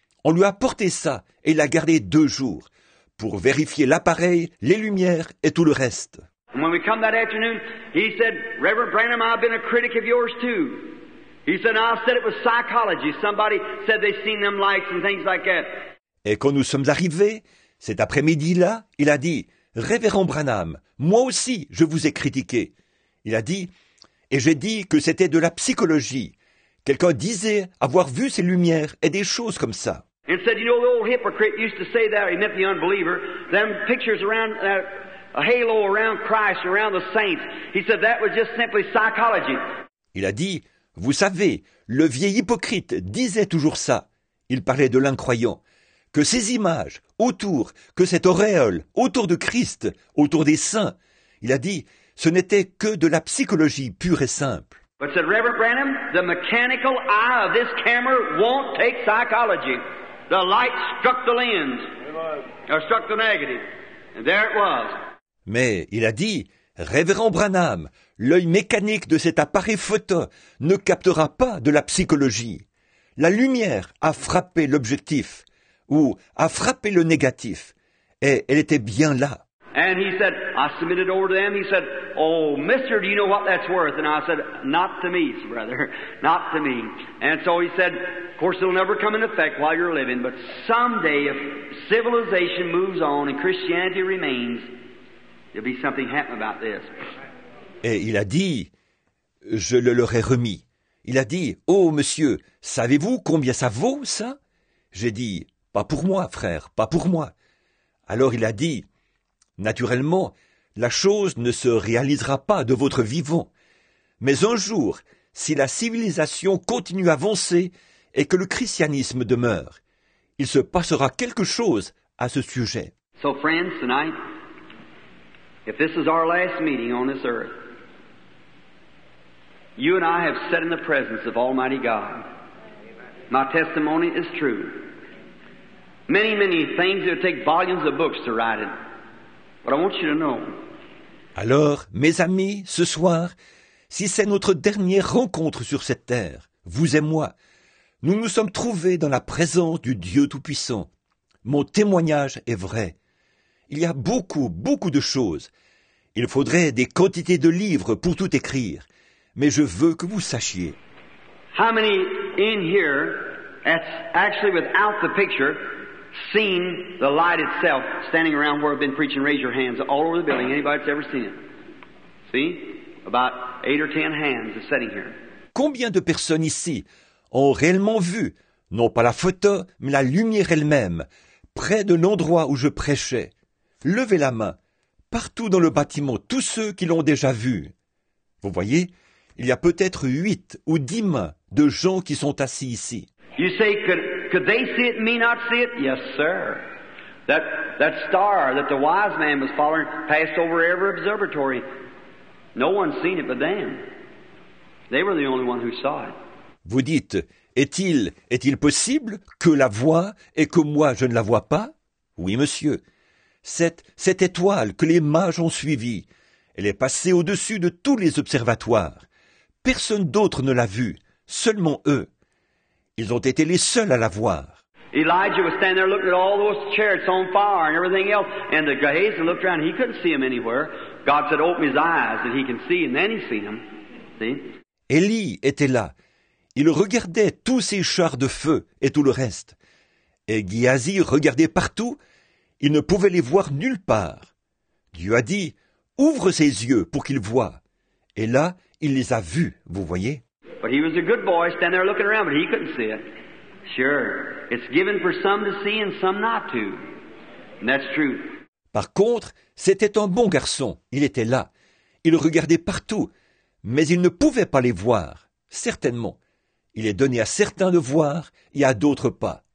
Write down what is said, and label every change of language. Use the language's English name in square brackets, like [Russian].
[French] On lui a porté ça et l'a gardé 2 jours pour vérifier l'appareil, les lumières et tout le reste. [English] When we come that afternoon, he said, Reverend Branham, I've been a critic of yours too. He said, I said it was psychology. Somebody said they seen them lights and things like that. [French] Et quand nous sommes arrivés, cet après-midi-là, il a dit, Révérend Branham, moi aussi, je vous ai critiqué. Il a dit, et j'ai dit que c'était de la psychologie. Quelqu'un disait avoir vu ces lumières et des choses comme ça. [English] And said, you know, the old hypocrite used to say that, he meant the unbeliever, them pictures around that. A halo around Christ, around the saints. He said that was just simply psychology. [French] Il a dit, vous savez, le vieil hypocrite disait toujours ça. Il parlait de l'incroyant. Que ces images autour, que cette auréole autour de Christ, autour des saints, il a dit, ce n'était que de la psychologie pure et simple. [English] But said Reverend Branham, the mechanical eye of this camera won't take psychology. The light struck the lens, or struck the negative. And there it was. [French] Mais il a dit, Révérend Branham, l'œil mécanique de cet appareil photo ne captera pas de la psychologie. La lumière a frappé l'objectif, ou a frappé le négatif, et elle était bien là. [English] And he said, I submitted over to them. He said, oh, mister, do you know what that's worth? And I said, not to me, brother, not to me. And so he said, of course, it'll never come into effect while you're living, but someday if civilization moves on and Christianity remains, there'll be something happen about this. [French] Et il a dit, je le leur ai remis. Il a dit, oh monsieur, savez-vous combien ça vaut ça? J'ai dit, pas pour moi frère, pas pour moi. Alors il a dit, naturellement, la chose ne se réalisera pas de votre vivant. Mais un jour, si la civilisation continue à avancer et que le christianisme demeure, il se passera quelque chose à ce sujet. [English] So friends, tonight, if this is our last meeting on this earth, you and I have sat in the presence of Almighty God. My testimony is true. Many, many things that take volumes of books to write it. But I want you to know. [French] Alors, mes amis, ce soir, si c'est notre dernière rencontre sur cette terre, vous et moi, nous nous sommes trouvés dans la présence du Dieu Tout-Puissant. Mon témoignage est vrai. Il y a beaucoup, beaucoup de choses. Il faudrait des quantités de livres pour tout écrire. Mais je veux que vous sachiez. [English] How many in here that's actually without the picture seen the light itself standing around where I've been preaching? Raise your hands all over the building. Anybody that's ever seen it? See? About 8 or 10 hands are sitting here. [French] Combien de personnes ici ont réellement vu, non pas la photo, mais la lumière elle-même, près de l'endroit où je prêchais? Levez la main, partout dans le bâtiment, tous ceux qui l'ont déjà vu. Vous voyez, il y a peut-être 8 ou 10 mains de gens qui sont assis ici. [English] You say, could they see it and me not see it? Yes, sir. That star that the wise man was following passed over every observatory. No one seen it but them. They were the only one who saw it. [French] Vous dites, est-il possible que la voie et que moi je ne la vois pas? Oui, monsieur. Cette étoile que les mages ont suivie, elle est passée au-dessus de tous les observatoires. Personne d'autre ne l'a vue, seulement eux. Ils ont été les seuls à la voir. [English] Elijah was standing there looking at all those chariots on fire and everything else, and the Gehazi looked around, he couldn't see him anywhere. God said, open his eyes and he can see, and then he seen him. See? [French] Élie était là. Il regardait tous ces chars de feu et tout le reste. Et Gehazi regardait partout. Il ne pouvait les voir nulle part. Dieu a dit, ouvre ses yeux pour qu'il voie. Et là, il les a vus, vous voyez. [English] But he was a good boy standing there looking around, but he couldn't see it. Sure, it's given for some to see and some not to. And that's true. [French] Par contre, c'était un bon garçon. Il était là. Il regardait partout. Mais il ne pouvait pas les voir, certainement. Il est donné à certains de voir et à d'autres pas.